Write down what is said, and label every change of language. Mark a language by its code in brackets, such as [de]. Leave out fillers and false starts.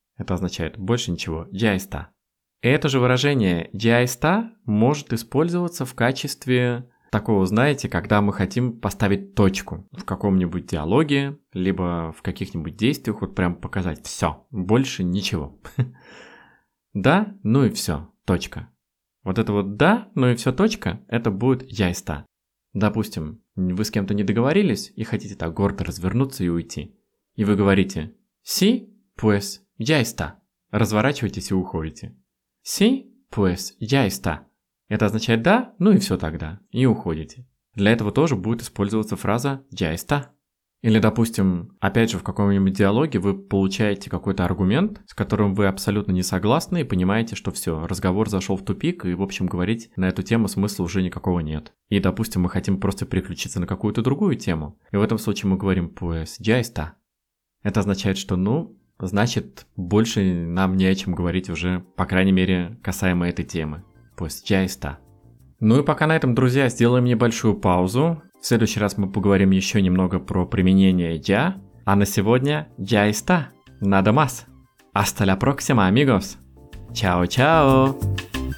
[ru] Это означает «больше ничего», [es] «ya está». [ru] Это же выражение «ya está» может использоваться в качестве такого, знаете, когда мы хотим поставить точку в каком-нибудь диалоге, либо в каких-нибудь действиях, вот прям показать «все, больше ничего». «Да, ну и все, точка». Вот это вот «да, ну и все, точка» — это будет [es] «ya está». [ru] Допустим, вы с кем-то не договорились и хотите так гордо развернуться и уйти. И вы говорите [es] «Sí, pues, ya está». [ru] Разворачивайтесь и уходите. [es] «Sí, pues, ya está». [ru] Это означает «да, ну и все тогда». И уходите. Для этого тоже будет использоваться фраза [es] «ya está». [ru] Или, допустим, опять же, в каком-нибудь диалоге вы получаете какой-то аргумент, с которым вы абсолютно не согласны и понимаете, что все, разговор зашел в тупик, и, в общем, говорить на эту тему смысла уже никакого нет. И, допустим, мы хотим просто переключиться на какую-то другую тему. И в этом случае мы говорим [es] «pues, ya está». [ru] Это означает, что, ну, значит, больше нам не о чем говорить уже, по крайней мере, касаемо этой темы. [es] Pues ya está. [ru] Ну и пока на этом, друзья, сделаем небольшую паузу. В следующий раз мы поговорим еще немного про применение ya. А на сегодня [es] ya está. Nada más. Hasta la próxima, amigos. Чао-чао.